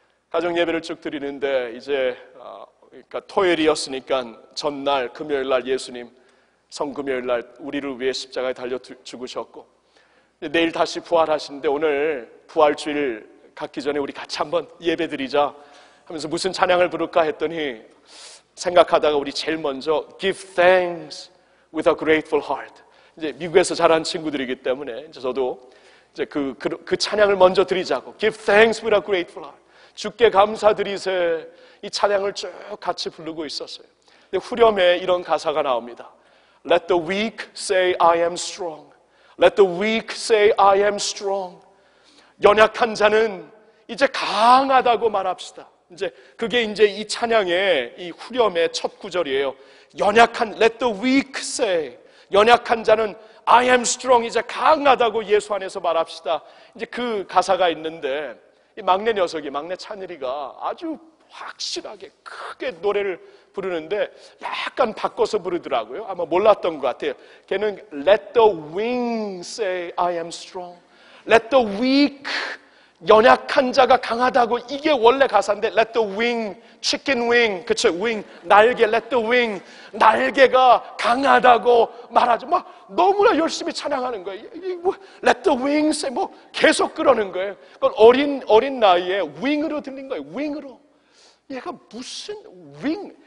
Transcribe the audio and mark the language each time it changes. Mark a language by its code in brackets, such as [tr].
[ko] 가정 예배를 쭉 드리는데 이제 그러니까 토요일이었으니까 전날 금요일 날 예수님 성금요일 날 우리를 위해 십자가에 달려 죽으셨고 내일 다시 부활하시는데 오늘 부활주일 갖기 전에 우리 같이 한번 예배드리자 하면서 무슨 찬양을 부를까 했더니 생각하다가 우리 제일 먼저 [en] Give thanks with a grateful heart. [ko] 이제 미국에서 자란 친구들이기 때문에 이제 저도 이제 그 찬양을 먼저 드리자고 [en] Give thanks with a grateful heart. [ko] 주께 감사드리세. 이 찬양을 쭉 같이 부르고 있었어요. 근데 후렴에 이런 가사가 나옵니다. [en] Let the weak say I am strong. Let the weak say I am strong. [ko] 연약한 자는 이제 강하다고 말합시다. 이제 그게 이제 이 찬양의 이 후렴의 첫 구절이에요. 연약한 [en] let the weak say [ko] 연약한 자는 [en] I am strong [ko] 이제 강하다고 예수 안에서 말합시다. 이제 그 가사가 있는데 이 막내 녀석이 막내 찬일이가 아주 확실하게 크게 노래를 부르는데 약간 바꿔서 부르더라고요. 아마 몰랐던 것 같아요. 걔는 [en] let the weak say I am strong. Let the weak [ko] 연약한 자가 강하다고 이게 원래 가사인데 [en] let the wing, chicken wing, [ko] 그쵸? wing, 날개, [en] let the wing, [ko] 날개가 강하다고 말하죠. 막 너무나 열심히 찬양하는 거예요. [en] let the wings, [ko] 뭐 계속 그러는 거예요. 그건 어린 나이에 wing으로 들린 거예요. wing으로. 얘가 무슨 wing?